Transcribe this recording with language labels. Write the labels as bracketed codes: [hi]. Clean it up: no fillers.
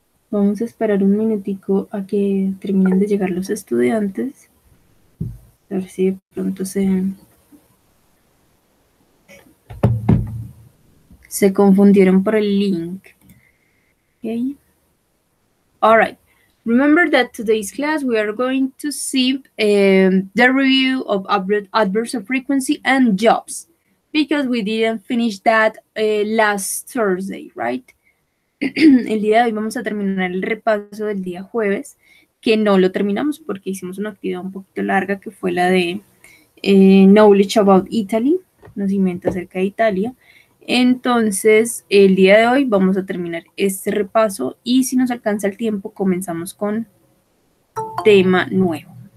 [es] Vamos a esperar un minutico a que terminen de llegar los estudiantes. A ver si de pronto se confundieron por el link. [en] Okay. All right. Remember that today's class we are going to see the review of adverbs of frequency and jobs because we didn't finish that last Thursday, right? [es] El día de hoy vamos a terminar el repaso del día jueves, que no lo terminamos porque hicimos una actividad un poquito larga que fue la de [en] Knowledge about Italy, [es] conocimiento acerca de Italia. Entonces, el día de hoy vamos a terminar este repaso y si nos alcanza el tiempo, comenzamos con tema nuevo.